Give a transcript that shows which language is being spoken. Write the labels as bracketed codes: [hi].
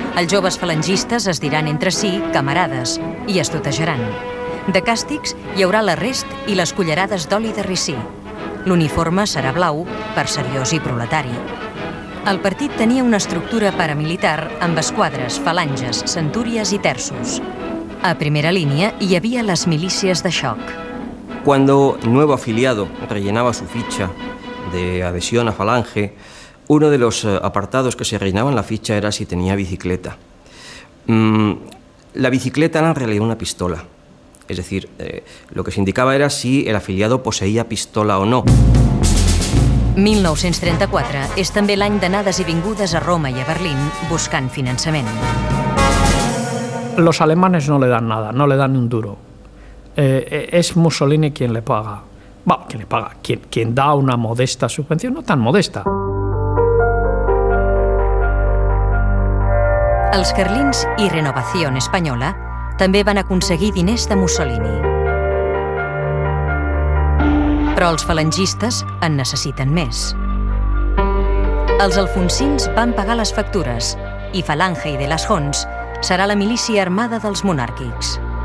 [ca] Els joves falangistes es diran entre si camarades i es tutejaran. De càstigs hi haurà l'arrest i les cullerades d'oli de ricí. L'uniforme serà blau, per seriós i proletari. El partit tenia una estructura paramilitar amb esquadres, falanges, centúries i terços. A primera línia hi havia les milícies de xoc. [es] Cuando el nuevo afiliado rellenaba su ficha de adhesión a Falange, uno de los apartados que se rellenaba en la ficha era si tenía bicicleta. La bicicleta era en realidad una pistola. Es decir, lo que se indicaba era si el afiliado poseía pistola o no. [ca] 1934 és també l'any d'anades i vingudes a Roma i a Berlín buscant finançament. [es] Los alemanes no le dan nada, no le dan un duro. Es Mussolini quien le paga. Bueno, quien le paga, quien da una modesta subvención, no tan modesta. [ca] Els carlins i Renovación Española també van aconseguir diners de Mussolini. Però els falangistes en necessiten més. Els alfonsins van pagar les factures i Falange y de las Hons serà la milícia armada dels monàrquics.